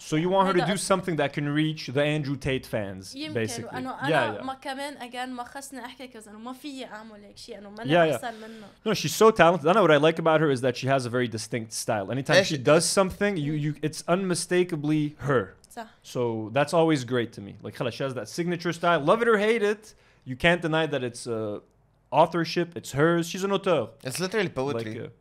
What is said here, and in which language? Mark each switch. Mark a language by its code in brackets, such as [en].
[en] So you want her to do something that can reach the Andrew Tate fans, basically. [ar] يمكن. أنا ما كمان again ما خصني أحكي كذا, أنا ما فيي أعمل هيك شيء, أنا ما أنا أحسن منه. [en] No, she's so talented. أنا what I like about her is that she has a very distinct style. Anytime she does something, you it's unmistakably her. So that's always great to me. Like خلاص, she has that signature style. Love it or hate it, you can't deny that it's authorship, it's hers. She's an auteur. It's literally poetry. Like,